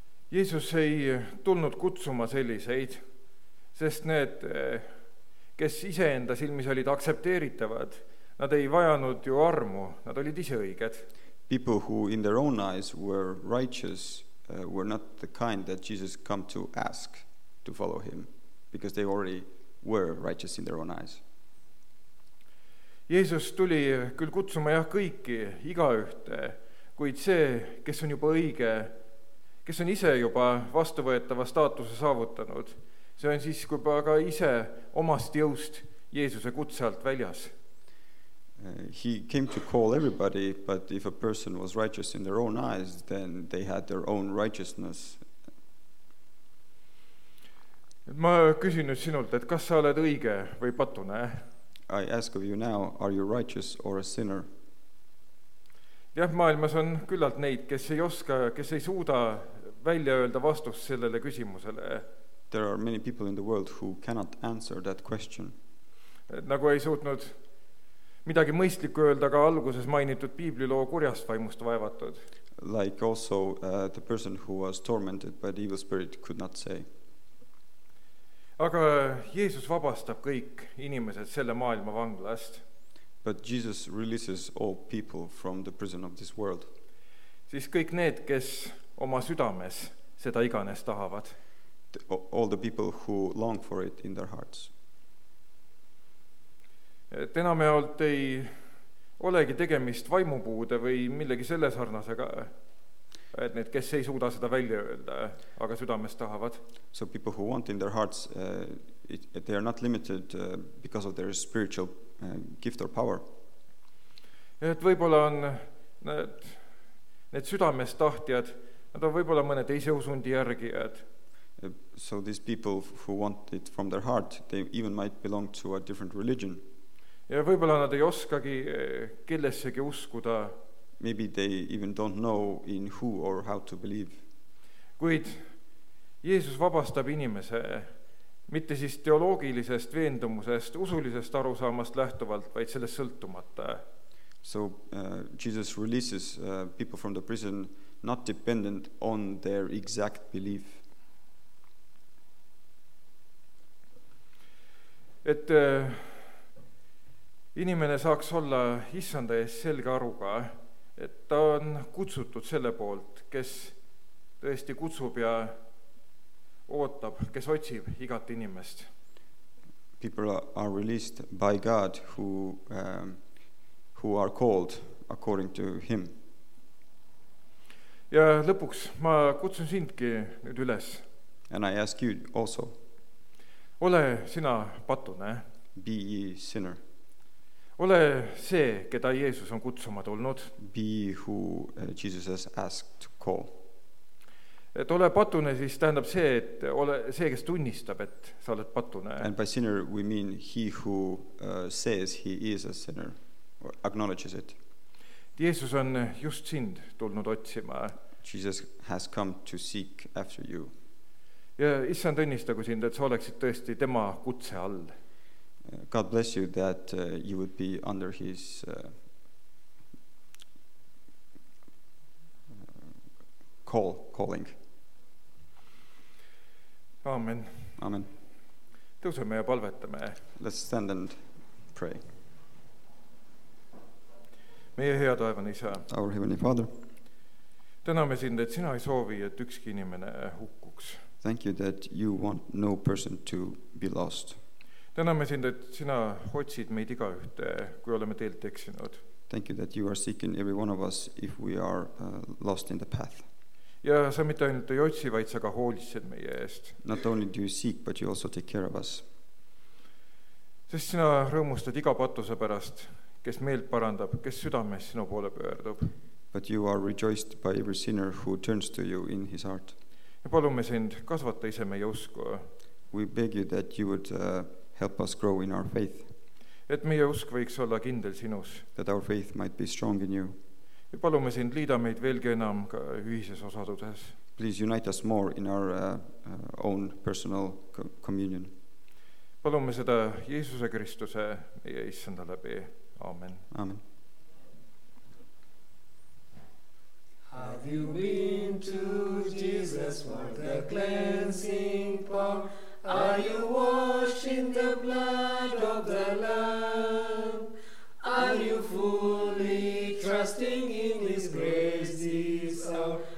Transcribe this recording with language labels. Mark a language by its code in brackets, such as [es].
[et] Jeesus ei tulnud kutsuma selliseid, sest need kes ise enda silmis olid aksepteeritavad, nad ei vajanud ju armu, nad olid ise õiged. [en] People who in their own eyes were righteous were not the kind that Jesus come to ask to follow him, because they already were righteous in their own eyes. [et] Jeesus tuli küll kutsuma jah kõiki, igaühte, kuid see, kes on juba õige, kes on ise juba vastuvõetava staatuse saavutanud, see on siis kui aga ise omast jõust Jeesuse kutsealt väljas. [en] He came to call everybody, but if a person was righteous in their own eyes, then they had their own righteousness. [et] Ma küsin nüüd sinult, et kas sa oled õige või patune? [en] I ask of you now, are you righteous or a sinner? [et] Jah, maailmas on küllalt neid, kes ei oska, kes ei suuda välja öelda vastust sellele küsimusele. [en] There are many people in the world who cannot answer that question. [et] Nagu ei suutnud midagi mõistlikku öelda ka alguses mainitud piibliloo kurjast vaimust vaevatud. [en] Like also the person who was tormented by the evil spirit could not say. [et] Aga Jeesus vabastab kõik inimesed selle maailma vanglast. [en] But Jesus releases all people from the prison of this world. [et] Siis kõik need, kes oma südames seda iganes tahavad. [en] All the people who long for it in their hearts. [et] Et enamjaolt ei olegi tegemist vaimupuude või millegi selle sarnasega. Et need, kes ei suuda seda välja öelda, aga südames tahavad. [en] So people who want in their hearts, they are not limited because of their spiritual gift or power. [et] Et võibolla on need südames tahtjad, nad on võibolla mõne teise usundi järgijad. [en] So these people who want it from their heart, they even might belong to a different religion. [et] Ja võibolla nad ei oskagi kellessegi uskuda. [en] Maybe they even don't know in who or how to believe. [et] Kuid Jeesus vabastab inimese mitte siis teoloogilisest veendumusest, usulisest arusaamast lähtuvalt, vaid sellest sõltumata. [en] So Jesus releases people from the prison not dependent on their exact belief. [et] Et inimene saaks olla issanda ees selge aruga, et ta on kutsutud selle poolt, kes tõesti kutsub ja ootab, kes otsib igat inimest. [en] People are released by God who are called according to him. [et] Ja lõpuks ma kutsun sindki nüüd üles. [en] And I ask you also. [et] Ole sina patune. [en] Be ye sinner. [et] Ole see, keda Jeesus on kutsuma tulnud. [en] Be who Jesus has asked to call. [et] Et ole patune, siis tähendab see, et ole see, kes tunnistab, et sa oled patune. [en] And by sinner we mean he who says he is a sinner or acknowledges it. [et] Jeesus on just sind tulnud otsima. [en] Jesus has come to seek after you. [et] Ja issand tunnistagu sind, et sa oleksid tõesti tema kutse all. [en] God bless you that you would be under his calling. [et] Amen. [en] Amen. [et] Tõuseme ja palvetame. [en] Let's stand and pray. [et] Meie hea taevane isa. [en] Our heavenly Father. [et] Täname sind, et sina ei soovi, et ükski inimene hukkuks. [en] Thank you that you want no person to be lost. [et] Täname sind, et sina otsid meid iga ühte, kui oleme teilt eksinud. [en] Thank you that you are seeking every one of us if we are lost in the path. [et] Ja sa mitte ainult ei otsi, vaid sa ka hoolitsed meie eest. [en] Not only do you seek, but you also take care of us. [et] Sest sina rõõmustad iga patuse pärast, kes meelt parandab, kes südames sinu poole pöördub. [en] But you are rejoiced by every sinner who turns to you in his heart. [et] Ja palume sind kasvata ise meie usku. [en] We beg you that you would help us grow in our faith. [et] Et meie usk võiks olla kindel sinus. [en] That our faith might be strong in you. [et] Ja palume sind liida meid veelgi enam ka ühises osaduses. [en] Please unite us more in our own personal communion. [et] Palume seda Jeesuse Kristuse meie issanda läbi. Amen. [en] Amen. Have you been to Jesus for the cleansing power? Are you washed in the blood of the Lamb? Are you fully trusting in His grace this hour?